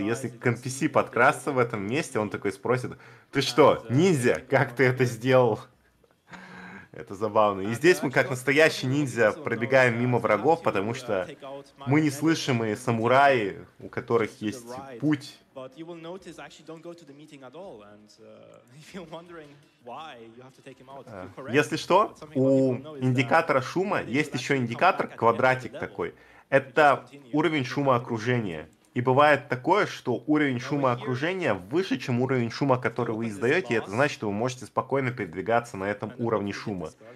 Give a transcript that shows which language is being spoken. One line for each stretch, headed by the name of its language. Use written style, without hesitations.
Russian: Если к NPC подкрасться в этом месте, он такой спросит: «Ты что, ниндзя? Как ты это сделал?» Это забавно. И здесь мы, как настоящий ниндзя, пробегаем мимо врагов, потому что мы неслышимые самураи, у которых есть путь.
English: But you will notice I actually don't go to the meeting at all. And if you're wondering why, you have to take him out.
Russian: Если что, у индикатора шума есть еще индикатор, квадратик такой. Это уровень шума окружения. И бывает такое, что уровень шума окружения выше, чем уровень шума, который вы издаете, и это значит, что вы можете спокойно передвигаться на этом уровне шума.